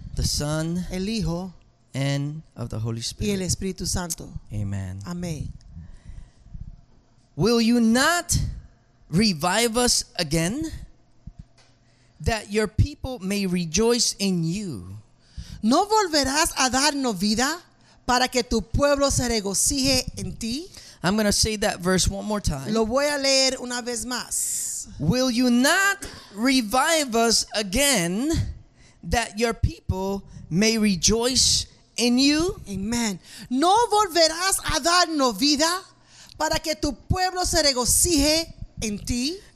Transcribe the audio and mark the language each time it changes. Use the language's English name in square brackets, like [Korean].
[English] the Son, [Spanish] el Hijo, [English] and of the Holy Spirit. [Spanish] Y el Espíritu Santo. [English] Amen. [Spanish] Amén. [English] Will you not revive us again, that your people may rejoice in you? [Spanish] ¿No volverás a darnos vida para que tu pueblo se regocije en ti? [English] I'm going to say that verse one more time. [Spanish] Lo voy a leer una vez más. [English] Will you not revive us again, that your people may rejoice in you? Amen. [Spanish] ¿No volverás a darnos vida para que tu pueblo se regocije en ti?